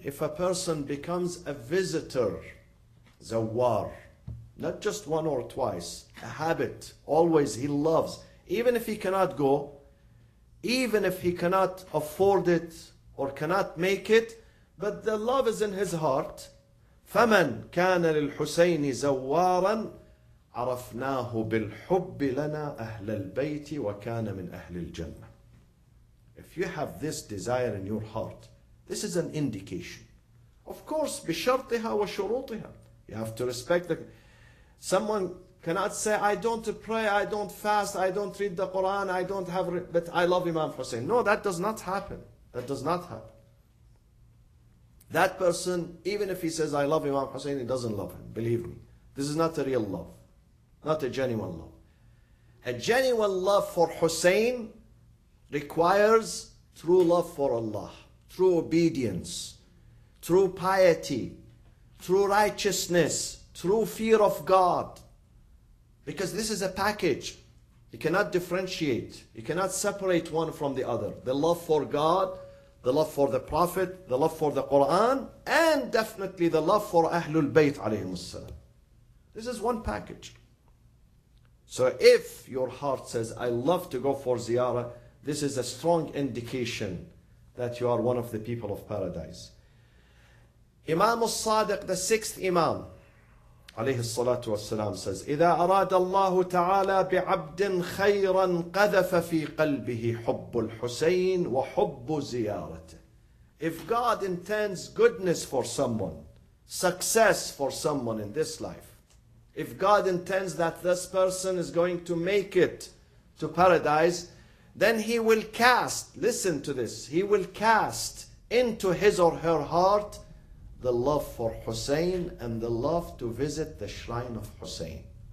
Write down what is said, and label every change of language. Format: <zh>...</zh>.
<en>If a person becomes a visitor, زوار, not just one or twice, a habit, always he loves, even if he cannot go, even if he cannot afford it or cannot make it, but the love is in his heart.</en> <ar>فَمَنْ كَانَ لِلْحُسَيْنِ زَوَّارًا عَرَفْنَاهُ بِالْحُبِّ لَنَا أَهْلَ الْبَيْتِ وَكَانَ مِنْ أَهْلِ الْجَنَّةِ.</ar> <en>If you have this desire in your heart, this is an indication. Of course,</en> <ar>بشرطها وشروطها.</ar> <en>You have to respect the... Someone cannot say, I don't pray, I don't fast, I don't read the Quran, I don't have... But I love Imam Hussein. No, that does not happen. That does not happen. That person, even if he says, I love Imam Hussein, he doesn't love him. Believe me. This is not a real love. Not a genuine love. A genuine love for Hussein requires true love for Allah, true obedience, true piety, true righteousness, true fear of God. Because this is a package. You cannot differentiate. You cannot separate one from the other. The love for God, the love for the Prophet, the love for the Quran, and definitely the love for Ahlul Bayt alayhi wasalam. This is one package. So if your heart says, I love to go for ziyarah, this is a strong indication that you are one of the people of paradise. Imam al-Sadiq, the sixth Imam, alayhi salatu wasalam, says,</en> <ar>إِذَا أَرَادَ اللَّهُ تَعَالَى بِعَبْدٍ خَيْرًا قَذَفَ فِي قَلْبِهِ حُبُّ الْحُسَيْنِ وَحُبُّ زِيَارَتِهِ.</ar> <en>If God intends goodness for someone, success for someone in this life, if God intends that this person is going to make it to paradise, then he will cast, listen to this, he will cast into his or her heart the love for Hussein and the love to visit the shrine of Hussein.</en>